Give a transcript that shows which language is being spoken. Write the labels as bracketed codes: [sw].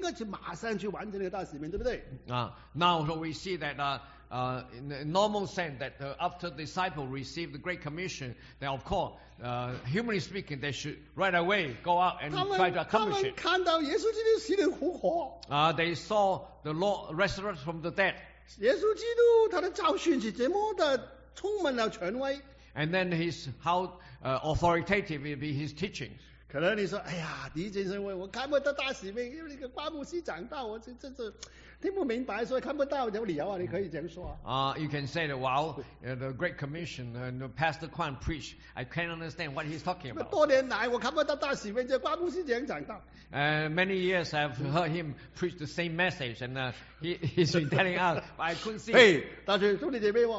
[zh] 启示圣卷啊，这个神这个大使命吩咐过以后，使徒们理论上头啊，应该去马上去完成这个大使命，对不对？ [en] Now so we see that in a normal sense that after disciple received the Great Commission, then of course, humanly speaking, they should right away go out and try to accomplish it. [zh] 他们看到耶稣基督死里复活, [en] they saw the Lord resurrected from the dead. [zh] 耶稣基督他的教训是这么的充满了权威, [en] and then his how authoritative will be his teachings. [zh] 可能你说，哎呀，狄先生，我看不到大使命，因为那个瓜牧师长大，我这这这。听不明白，所以看不到，有理由啊，你可以这样说。 [en] You can say that while the Great Commission and Pastor Kwan preach, I can't understand what he's talking about. [zh] 多年来我看不到大使命，这瓜牧师这样讲道。Many [en] years I've heard him preach the same message, and he's been telling us, but I couldn't see.